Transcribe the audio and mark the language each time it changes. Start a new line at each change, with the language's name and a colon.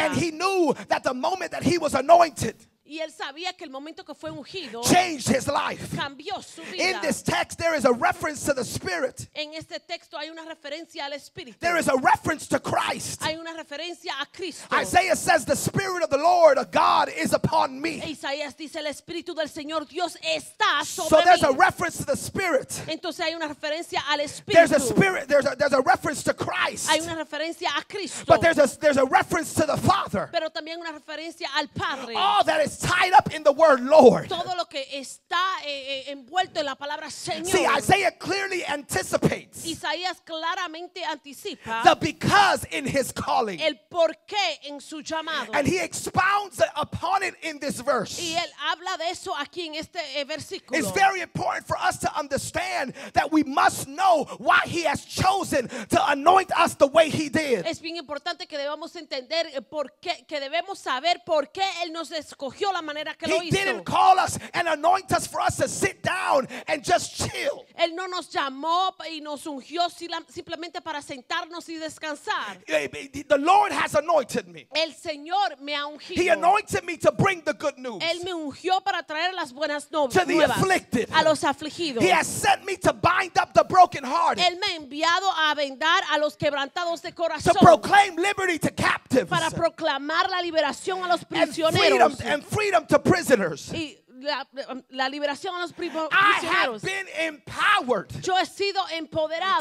English: And he knew that the moment that he was anointed,
Spanish: y él sabía que el momento que fue ungido,
English: changed his life.
Spanish: Cambió su vida.
English: In this text, there is a reference to the Spirit.
Spanish: En este texto hay una referencia al Espíritu.
English: There is a reference to Christ.
Spanish: Hay una referencia a Cristo.
English: Isaiah says, "The Spirit of the Lord, God, is upon me."
Spanish: Isaías dice, el Espíritu del Señor Dios está sobre mí.
English: So there's a reference to the Spirit.
Spanish: Entonces hay una referencia al Espíritu.
English: There's a Spirit. There's a reference to Christ.
Spanish: Hay una referencia a Cristo.
English: But there's a reference to the Father.
Spanish: Pero también una referencia al Padre.
English: All that is tied up in the word Lord.
Spanish: Todo lo que está envuelto en la palabra Señor.
English: See, Isaiah clearly anticipates.
Spanish: Isaías claramente anticipa.
English: The because in his calling.
Spanish: El porqué en su llamado.
English: And he expounds upon it in this verse.
Spanish: Y él habla de eso aquí en este versículo.
English: It's very important for us to understand that we must know why he has chosen to anoint us the way he did.
Spanish: Es bien importante que debamos entender por qué, que debemos saber por qué él nos escogió.
English: He didn't call us and anoint us for us to sit down and just chill.
Spanish: Él no nos llamó y nos ungió simplemente para sentarnos y descansar.
English: The Lord has anointed me.
Spanish: El Señor me ha ungido.
English: He anointed me to bring the good news.
Spanish: Él me ungió para traer las buenas nuevas.
English: To the afflicted.
Spanish: A los afligidos.
English: He has sent me to bind up the brokenhearted.
Spanish: Él me ha enviado a vendar a los quebrantados de corazón.
English: To proclaim liberty to captives.
Spanish: Para proclamar la liberación a los prisioneros.
English: And freedom to prisoners.
Spanish: la liberación a los prisioneros.
English: I have been empowered.
Spanish: Yo he sido empoderado.